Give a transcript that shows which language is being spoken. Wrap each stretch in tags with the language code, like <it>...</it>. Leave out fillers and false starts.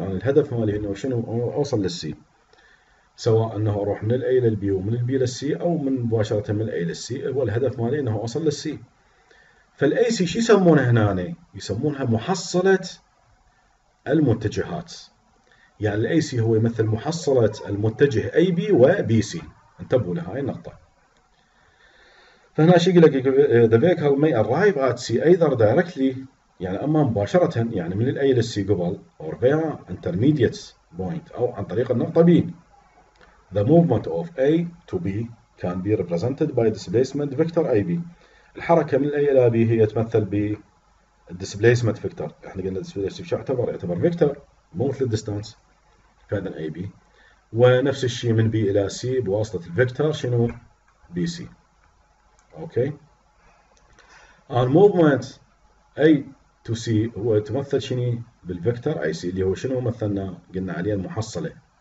<ar>انا الهدف مالي انه شنو؟ اوصل للسي. سواء انه اروح من الاي للبي ومن البي للسي او من مباشره من الاي للسي، هو الهدف مالي انه اوصل للسي. فالاي سي شو يسمونها هنا؟ يسمونها محصلة المتجهات. يعني الاي سي هو يمثل محصلة المتجه اي بي وبي سي. انتبهوا لهاي النقطة. فهنا شو يقول لك؟</ar> <en>The vehicle may arrive at C either directly.</en> <ar>يعني اما مباشره يعني من الاي ال سي قبل</ar> <en>or via intermediate point</en> <ar>او عن طريق النقطتين.</ar> <en>The movement of A to B can be represented by displacement vector AB.</en> <ar>الحركه من A الى B هي تمثل ب displacement vector. احنا قلنا displacement شو اعتبر؟ يعتبر vector مو مثل الدستانس فعلا AB. ونفس الشيء من B الى C بواسطه الفيكتور شنو؟ BC. اوكي؟</ar> <en>And movement A to C</en> <ar>هو تمثل شنو؟ بالفيكتور AC اللي هو شنو مثلنا؟ قلنا عليه المحصله.</ar>